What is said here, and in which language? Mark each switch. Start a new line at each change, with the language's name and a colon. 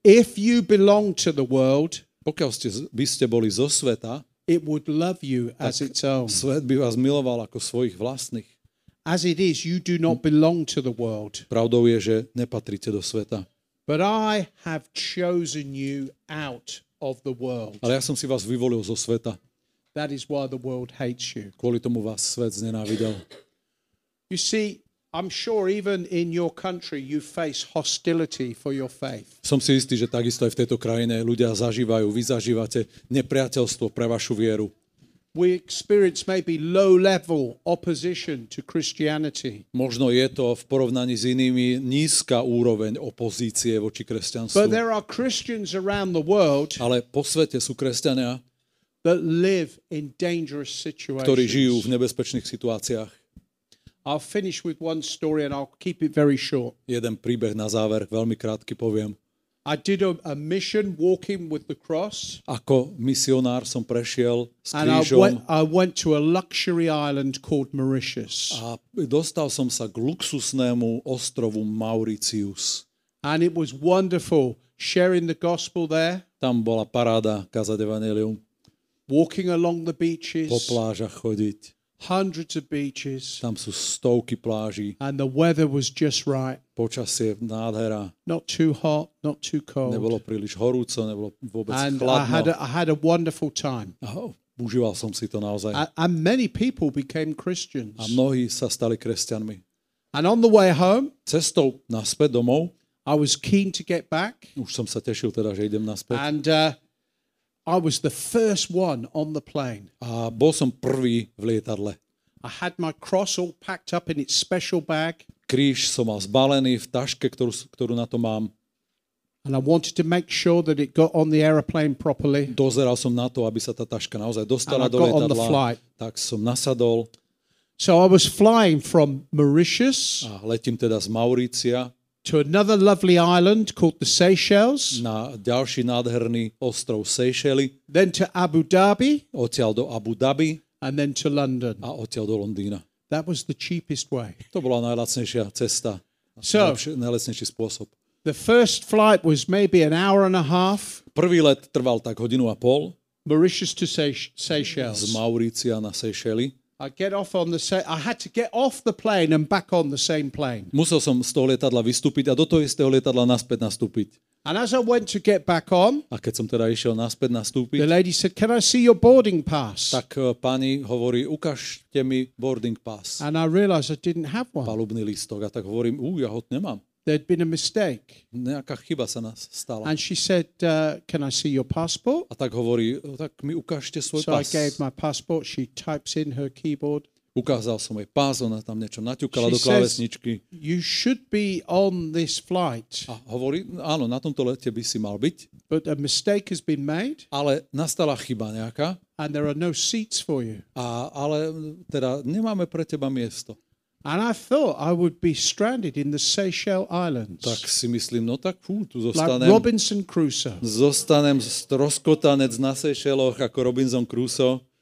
English: If you belong to the world,
Slovak: pokiaľ ste, by ste boli zo sveta,
English: it would love you as its own.
Slovak: Svet by vás miloval ako svojich vlastných.
English: As it is, you do not belong to the world.
Slovak: Pravdou je, že nepatríte do sveta.
English: But I have chosen you out of the world.
Slovak: Ale ja som si vás vyvolil zo sveta.
English: That is why the world hates you.
Slovak: Kvôli tomu vás svet znenávidel.
English: You see, I'm sure even in your country you face hostility for your faith.
Slovak: Som si istý, že takisto aj v tejto krajine ľudia zažívajú, vy zažívate nepriateľstvo pre vašu vieru.
English: We experience maybe low level opposition to Christianity.
Slovak: Možno je to v porovnaní s inými nízka úroveň opozície voči kresťanstvu.
English: But there are Christians around the world.
Slovak: Ale po svete sú kresťania,
English: that live in dangerous situations.
Slovak: Ktorí žijú v nebezpečných situáciách.
English: I'll finish with one story and I'll keep it very short.
Slovak: Jeden príbeh na záver, veľmi krátky poviem.
English: I did a mission walking with the cross.
Slovak: Ako misionár som prešiel s krížom.
English: And I went to a luxury island called Mauritius.
Slovak: A dostal som sa k luxusnému ostrovu Mauritius.
English: And it was wonderful sharing the gospel there.
Slovak: Tam bola paráda kázať evanjelium.
English: Walking along the beaches.
Slovak: Po plážach chodiť.
English: Hundreds of beaches.
Slovak: Tam sú stovky pláží.
English: And the weather was just right.
Slovak: Počasie nádhera.
English: Not too hot, not too cold.
Slovak: Nebolo príliš horúco, nebolo vôbec
English: and
Slovak: chladno.
English: And I had a wonderful time.
Slovak: Užíval som si to naozaj.
English: And many people became Christians.
Slovak: A mnohí sa stali kresťanmi.
English: And on the way home,
Slovak: cestou naspäť domov,
English: I was keen to get back.
Slovak: Už som sa tešil teda, že idem naspäť.
English: And I was the first one on the plane.
Slovak: A bol som prvý v lietadle.
English: I had my cross all packed up in its special bag.
Slovak: Kríž som mal zbalený v taške, ktorú na to mám.
English: And I wanted to make sure that it got on the airplane properly.
Slovak: Dozeral som na to, aby sa tá taška naozaj dostala do lietadla.
English: And I got on the flight.
Slovak: Tak som nasadol.
English: So I was flying from Mauritius.
Slovak: A letím teda z Maurícia.
English: To another lovely island called the Seychelles.
Slovak: Na ďalší nádherný ostrov Seychely.
English: Then to Abu Dhabi.
Slovak: Odtiaľ do Abu Dhabi.
English: And then to London.
Slovak: A odtiaľ do Londýna.
English: That was the cheapest way.
Slovak: To bola najlacnejšia cesta.
English: So,
Slovak: najlacnejší spôsob.
English: The first flight was maybe an hour and a half.
Slovak: Prvý let trval tak hodinu a pol.
English: Mauritius to Seychelles.
Slovak: Z Maurícia na Seychely.
English: I had to get off the plane and back on the same plane.
Slovak: Musel som z toho lietadla vystúpiť a do toho istého lietadla naspäť nastúpiť.
English: And as I went to get back on,
Slovak: a keď som teda išiel naspäť nastúpiť,
English: the lady said, "Can I see your boarding pass?"
Slovak: Tak pani hovorí, ukážte mi boarding pass.
English: And I realized I didn't have one.
Slovak: Palubný lístok. A tak hovorím, ja ho nemám.
English: There'd been a mistake.
Slovak: Nejaká chyba sa nás stala.
English: And she said, "Can I see your passport?"
Slovak: A tak hovorí, tak mi ukážte svoj
English: pas. So I gave my passport. She types in her keyboard.
Slovak: Ukázal som jej pás, ona tam niečo naťukala do klávesničky.
English: "You should be on this flight."
Slovak: A hovorí, áno, na tomto lete by si mal byť.
English: "But a mistake has been made."
Slovak: Ale nastala chyba nejaká.
English: "And there are no seats for you."
Slovak: Ale teda nemáme pre teba miesto.
English: And I thought I would be stranded in the Seychelles Islands.
Slovak: Tak si myslím, no tak fú, tu zostanem.
English: Like Robinson Crusoe.
Slovak: Zostanem stroskotanec na Seychelloch ako Robinson Crusoe.